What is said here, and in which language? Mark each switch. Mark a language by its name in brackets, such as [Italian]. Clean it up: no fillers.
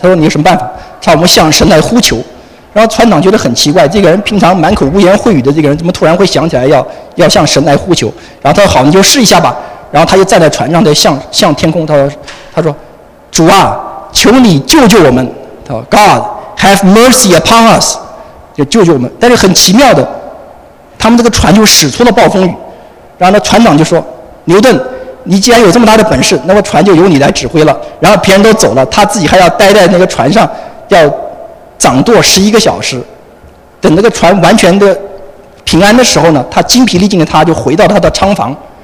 [Chinese] 他说：“你有什么办法？” 他说：“我们向神来呼求。” 然后船长觉得很奇怪，这个人平常满口污言秽语的这个人，怎么突然会想起来要向神来呼求？然后他说：“好，你就试一下吧。” 然后他就站在船上在向天空，他说主啊，求你救救我们。他说 [English] God have mercy upon us， [Chinese] 就救救我们。但是很奇妙的，他们这个船就驶出了暴风雨。然后呢，船长就说，牛顿，你既然有这么大的本事，那么船就由你来指挥了。然后别人都走了，他自己还要待在那个船上，要掌舵11个小时。等那个船完全的平安的时候呢，他精疲力尽的，他就回到他的舱房。